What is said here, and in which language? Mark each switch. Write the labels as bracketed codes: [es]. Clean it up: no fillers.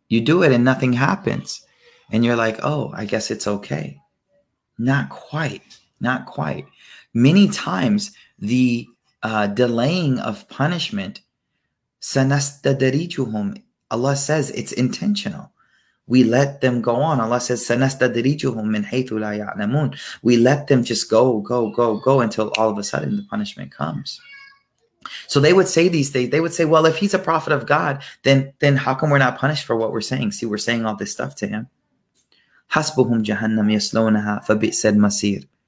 [en] You do it and nothing happens. And you're like, oh, I guess it's okay. Not quite, not quite. Many times the delaying of punishment, سَنَسْتَدَرِيجُهُمْ, Allah says it's intentional. We let them go on. Allah says, [ar] سَنَسْتَدْرِجُهُمْ مِنْ حَيْثُ لَا يَعْلَمُونَ. [en] We let them just go until all of a sudden the punishment comes. So they would say these things. They would say, well, if he's a prophet of God, then how come we're not punished for what we're saying? See, we're saying all this stuff to him. [ar] حَسْبُهُمْ جَهَنَّمْ يَسْلُونَهَا فَبِئْسَ الْمَصِيرُ.